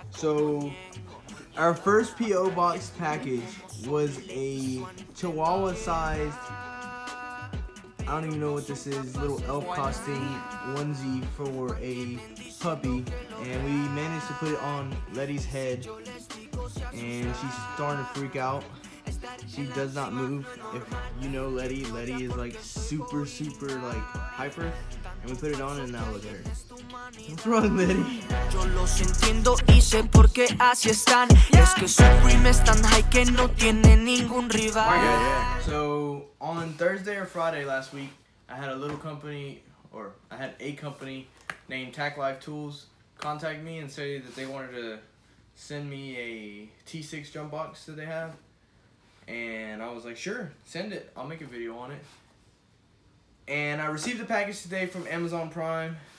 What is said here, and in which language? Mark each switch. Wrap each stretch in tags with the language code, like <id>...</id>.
<en>So our first P.O. box package was a chihuahua-sized, I don't even know what this is, little elf costume onesie for a puppy. And we managed to put it on Letty's head, and she's starting to freak out. She does not move. If you know Letty, Letty is like super, super like hyper. And we put it on, and now look at her. What's wrong, Letty?</en> <es>Yo los entiendo y sé por qué así están. Es que su prima es tan high que no tiene ningún rival.</es> <en>All right, guys, yeah. So on Thursday or Friday last week, I had a little company, or I had a company named Tac Life Tools contact me and say that they wanted to send me a T6 jump box that they have. And I was like, sure, send it. I'll make a video on it. And I received a package today from Amazon Prime.</en>